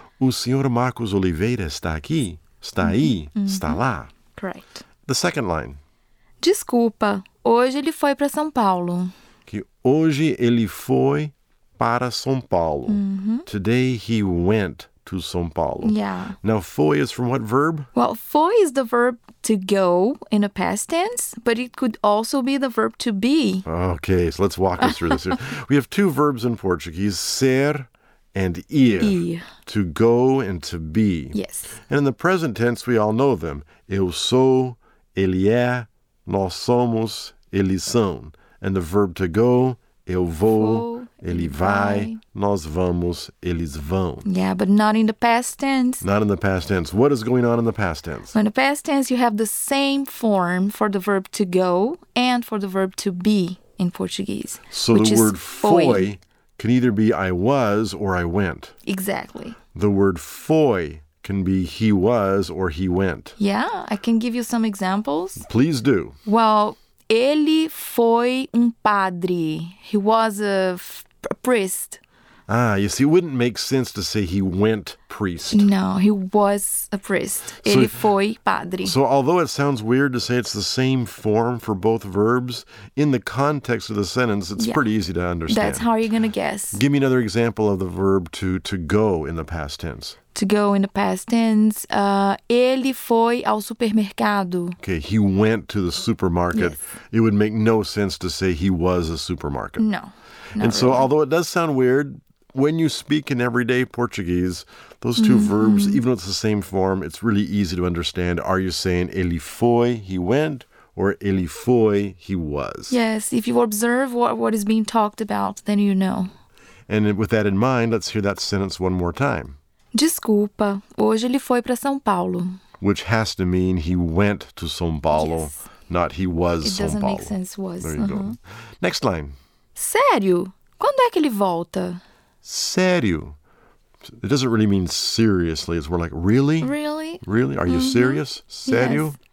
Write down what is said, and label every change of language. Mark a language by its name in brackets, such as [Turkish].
[Portuguese] O senhor Marcos Oliveira está aqui. Está aí. Está lá. [English] Correct. The second line. [Portuguese] Desculpa. Hoje ele foi para São Paulo. Que hoje ele foi para São Paulo. [English] Today he went to São Paulo. Yeah. Now, foi is from what verb? Well, foi is the verb to go in a past tense, but it could also be the verb to be. Okay, so let's walk us through this here. We have two verbs in Portuguese, ser and ir. E. To go and to be. Yes. And in the present tense, we all know them. [Portuguese] Eu sou, ele é, nós somos, eles são. [English] And the verb to go, [Portuguese] eu vou, ele vai, nós vamos, eles vão. [English] Yeah, but not in the past tense. Not in the past tense. What is going on in the past tense? In the past tense, you have the same form for the verb to go and for the verb to be in Portuguese. So the word foi can either be I was or I went. Exactly. The word foi can be he was or he went. Yeah, I can give you some examples. Please do. [Portuguese] Well, ele foi padre. [English] He was a priest. Ah, you see, it wouldn't make sense to say he went priest. No, he was a priest. [Portuguese] Ele foi padre. [English] So although it sounds weird to say it's the same form for both verbs, in the context of the sentence, it's pretty easy to understand. That's how you're going to guess. Give me another example of the verb to go in the past tense. To go in the past tense, [Portuguese] ele foi ao supermercado. [English] Okay, he went to the supermarket. Yes. It would make no sense to say he was a supermarket. No. And so, although it does sound weird, when you speak in everyday Portuguese, those two verbs, even though it's the same form, it's really easy to understand. Are you saying [Portuguese] ele foi, [English] he went, or ele foi, he was? Yes, if you observe what is being talked about, then you know. And with that in mind, let's hear that sentence one more time. [Portuguese] Desculpa, hoje ele foi para São Paulo. [English] Which has to mean he went to São Paulo, not he was São Paulo. It doesn't make sense, was. There you go. Next line. [Portuguese] Sério? Quando é que ele volta? Sério? [English] It doesn't really mean seriously. It's more like, really? Really? Really? Are you serious? Sério?